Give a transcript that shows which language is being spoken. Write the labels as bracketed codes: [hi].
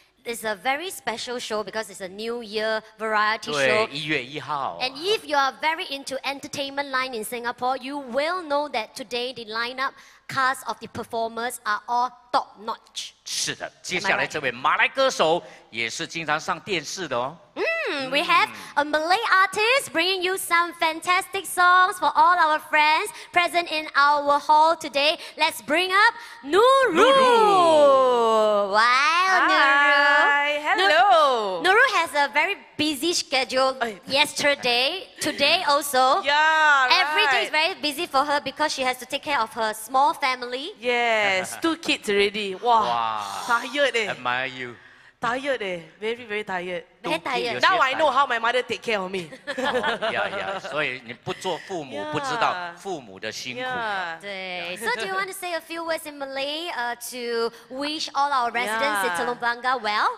[en] It's a very special show because it's a New Year variety show. [zh] 对，1月1号。 [en] And if you are very into entertainment line in Singapore, you will know that today the lineup cast of the performers are all top notch. [zh] 是的，接下来这位马来歌手也是经常上电视的哦。 [en] We have a Malay artist bringing you some fantastic songs for all our friends present in our hall today. Let's bring up Nuru. Wow, Nuru. Hi, hello. Nuru has a very busy schedule yesterday, today also. Yeah, Every right. day is very busy for her because she has to take care of her small family. Yes, two kids already. Wow. Tired eh. Admire you. Tired eh, very very tired. Very tired. Now I know how my mother take care of me. Yeah, yeah. [zh] 所以你不做父母，不知道父母的辛苦。对。 [en] So do you want to say a few words in Malay, to wish all our residents in Telok Blangah well?